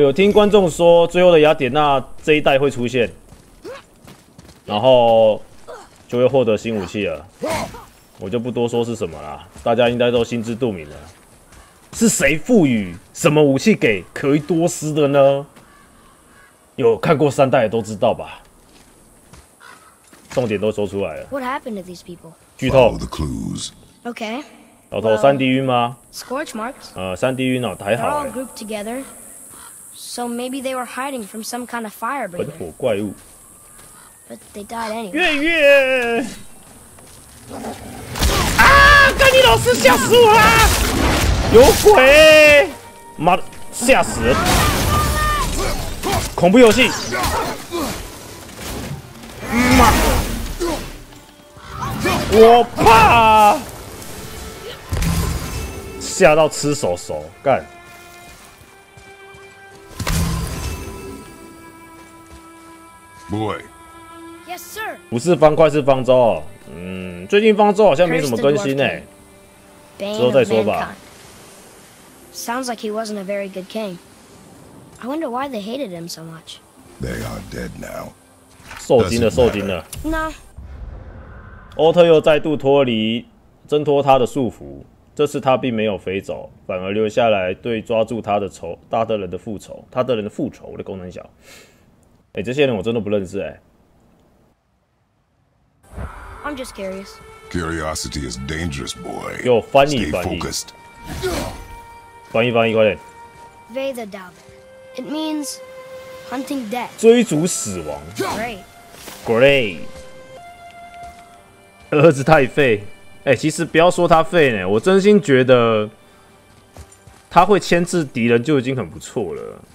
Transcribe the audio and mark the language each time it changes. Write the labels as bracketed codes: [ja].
[zh] 有听观众说，最后的雅典娜这一代会出现，然后就会获得新武器了。我就不多说是什么啦，大家应该都心知肚明了。是谁赋予什么武器给可伊多斯的呢？有看过三代的都知道吧？重点都说出来了。 [en] What happened to these people? [zh] 剧透。 [en] Follow the clues. Okay. [zh] 老头，三 D 晕吗 [en] ？Scorch marks. [zh] 三 D 晕哦，还好。 [en] They're all grouped together, so maybe they were hiding from some kind of fire breather. [zh] 本火怪物。 [en] But they died anyway. [zh] 月月。啊！跟你老师吓死我啦！有鬼！妈的，吓死人！恐怖游戏！妈！我怕！吓到吃手手，干！不会。 [en] Yes, sir. [zh] 不是方块，是方舟。最近方舟好像没什么更新欸，之后再说吧。 [en] Sounds like he wasn't a very good king. I wonder why they hated him so much. They are dead now. [zh] 受惊了，受惊了。 [en] No. [zh] 欧特又再度脱离挣脱他的束缚，这次他并没有飞走，反而留下来对抓住他的仇，大德人的复仇，他的人的复仇。我的功能小。欸，这些人我真的不认识欸。 [en] I'm just curious. Curiosity is dangerous, boy. [zh] Yo, 翻译翻译，翻译翻译，快点。 [en] Veda Dub. It means hunting death. [zh] 追逐死亡。 [en] Great. [zh] 儿子太废。欸，其实不要说他废呢，我真心觉得他会牵制敌人就已经很不错了。